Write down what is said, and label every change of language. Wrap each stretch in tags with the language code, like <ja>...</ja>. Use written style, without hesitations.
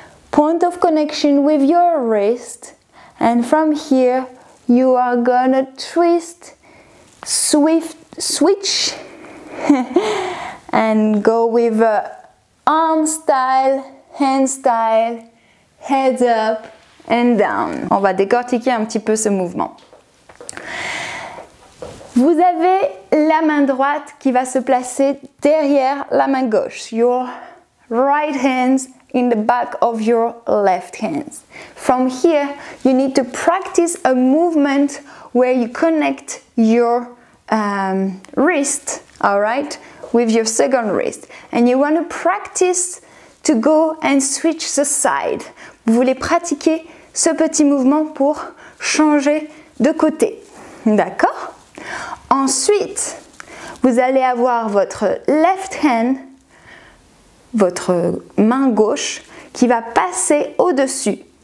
<en>Point of connection with your wrist, and from here you are gonna twist, switch, and go with arm style, hand style, head up and down.</en> <fr>On va décortiquer un petit peu ce mouvement. Vous avez la main droite qui va se placer derrière la main gauche.</fr> <en>Your right hand in the back of your left hand. From here, you need to practice a movement where you connect your wrist, all right, with your second wrist. And you want to practice to go and switch the side.</en> <fr>Vous voulez pratiquer ce petit mouvement pour changer de côté. D'accord? Ensuite, vous allez avoir votre</fr> <en>left hand,</en> <fr>votre main gauche qui va passer au-dessus.</fr>